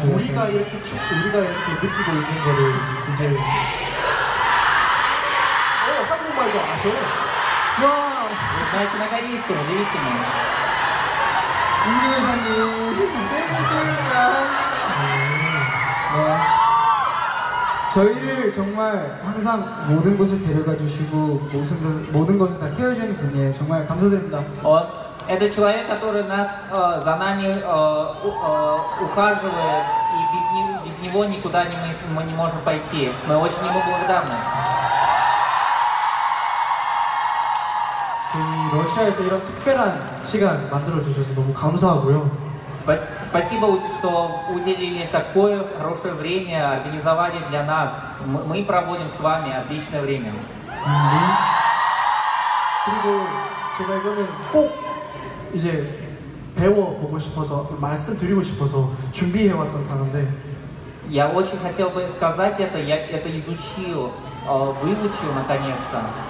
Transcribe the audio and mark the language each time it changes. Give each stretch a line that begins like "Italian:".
Korean: 우리가 이렇게 우리가 이렇게 느끼고 있는 거를 이제 와,
Russian: вы знаете на корейском, удивительно.
Korean: 이근호 이사님, 생일 축하. 네. 저희를 정말 항상 모든 곳을 데려가 주시고 모든 것을 다 케어해 주는 분이에요. 정말 감사드립니다.
Russian: это человек, который нас за нами ухаживает и без него никуда мы не можем пойти. Мы очень ему благодарны.
Korean: 러시아에서 이런 특별한 시간 만들어 주셔서 너무 감사하고요.
Russian: Спасибо, что уделили такое хорошее время, организовали для нас. Мы проводим с вами отличное время.
Korean: 그리고 제가 이거는 꼭 이제 배워 보고 싶어서 말씀 드리고 싶어서 준비해 왔던 단어인데.
Russian: Я очень хотел бы сказать это. Я это изучил, выучил наконец-то.